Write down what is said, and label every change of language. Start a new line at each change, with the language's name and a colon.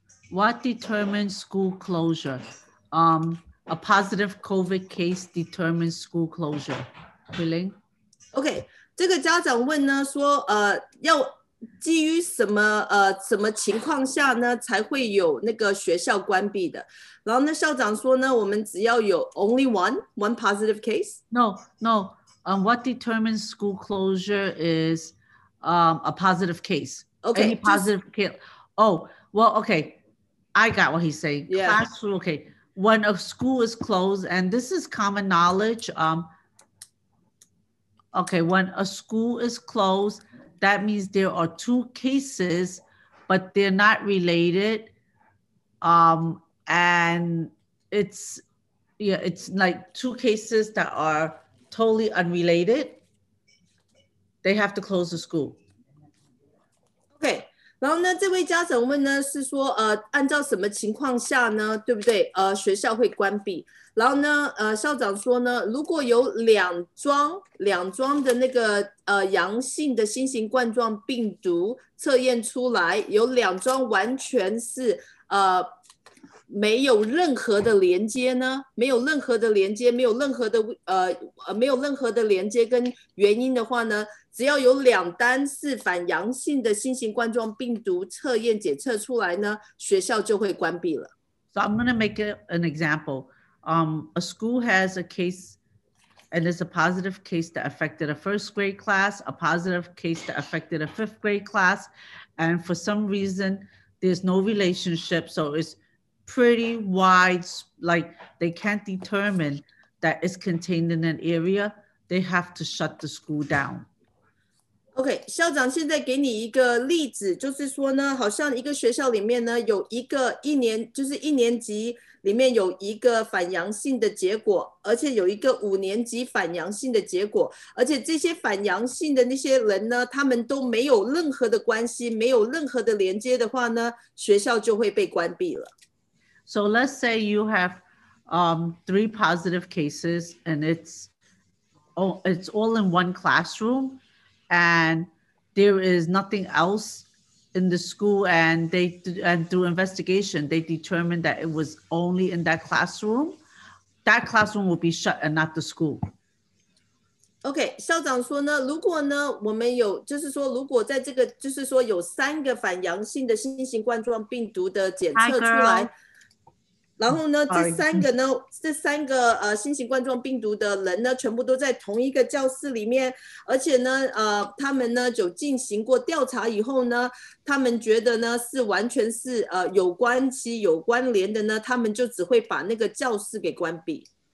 English: What determines school closure? A positive COVID case determines school closure. Huiling?
Chinese: Okay, 这个家长问呢，说要基于什么情况下呢，才会有那个学校关闭的？然后呢，校长说呢，我们只要有
English: only one positive case? No. What determines school closure is a positive case. Okay, any positive case. Oh, well, okay. I got what he's saying. Yeah. Classroom, okay. When a school is closed, and this is common knowledge. Okay, when a school is closed, that means there are two cases, but they're not related. And it's like two cases that are totally unrelated. They have to close the school.
Chinese: 然后呢，这位家长问呢，是说按照什么情况下呢，对不对？学校会关闭。然后呢，校长说呢，如果有两桩的那个阳性的新型冠状病毒测验出来，有两桩完全是没有任何的连接呢，没有任何的连接，没有任何的没有任何的连接跟原因的话呢？只要有两单是反阳性的新型冠状病毒测验检测出来呢，学校就会关闭了。
English: So I'm going to make an example. A school has a case, and it's a positive case that affected a first grade class, a positive case that affected a fifth grade class, and for some reason there's no relationship, so it's pretty wide. Like they can't determine that it's contained in an area, they have to shut the school down.
Chinese: OK, 校长现在给你一个例子，就是说呢，好像一个学校里面呢，有一个一年，就是一年级里面有一个反阳性的结果，而且有一个五年级反阳性的结果，而且这些反阳性的那些人呢，他们都没有任何的关系，没有任何的连接的话呢，学校就会被关闭了。
English: So let's say you have three positive cases and it's all in one classroom. And there is nothing else in the school, and through investigation, they determined that it was only in that classroom. That classroom will be shut and not the school.
Chinese: Okay, 校长说呢，如果呢，我们有，就是说，如果在这个，就是说，有三个反阳性的新型冠状病毒的检测出来。然后呢，这三个新型冠状病毒的人呢，全部都在同一个教室里面，而且呢，他们呢就进行过调查以后呢，他们觉得呢是完全是有关系、有关联的呢，他们就只会把那个教室给关闭。